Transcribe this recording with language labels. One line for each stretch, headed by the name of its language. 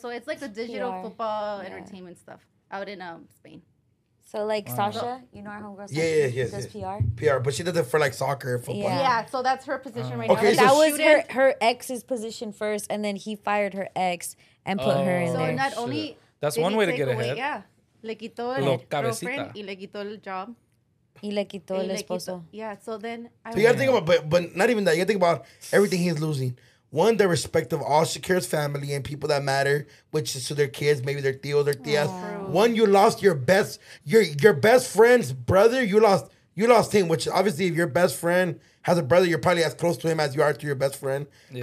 English: So it's like the digital football entertainment stuff out in Spain. So like Sasha, you know our homegirl Sasha? Yeah, yeah, yeah. She does PR. But she does it for like soccer, football. Yeah, yeah, so that's her position right okay, now. Okay, that was her ex's position first, and then he fired her ex and put her in so there. So not only that's one way to get ahead. Away, yeah.
Spanish: Le quitó el
English: girlfriend
Spanish: y le quitó el
English: job.
Spanish: Y le quitó el esposo.
English: Yeah, so then... So you got to think about, but not even that. You got to think about everything he's losing. One, the respect of all Shakira's family and people that matter, which is to their kids, maybe their
Spanish: tios,
English: their
Spanish: tias.
English: Aww. One, you lost your best friend's brother. You lost him, which obviously if your best friend has a brother, you're probably as close to him as you are to your best friend. Yeah.